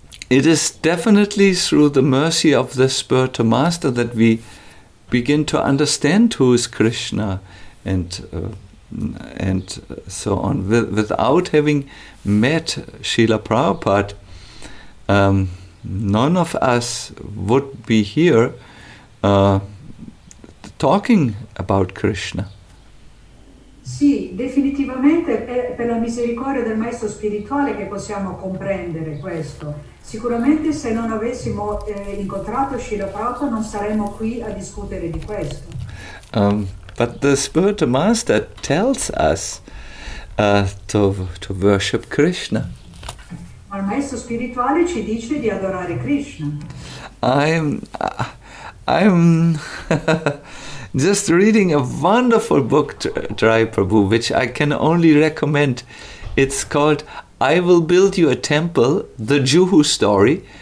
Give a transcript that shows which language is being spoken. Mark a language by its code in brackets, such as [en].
[en] It is definitely through the mercy of the spiritual master that we begin to understand who is Krishna and so on. Without having met Srila Prabhupada, none of us would be here talking about Krishna. [it] Sì, definitivamente è per la misericordia del maestro spirituale che possiamo comprendere questo. Sicuramente se non avessimo incontrato Srila Prabhupada non saremmo qui a discutere di questo. [en] But the spiritual master tells us to worship Krishna. [it] Ma il maestro spirituale ci dice di adorare Krishna. [en] I'm just reading a wonderful book, Trai Prabhu, which I can only recommend. It's called I Will Build You a Temple, The Juhu Story,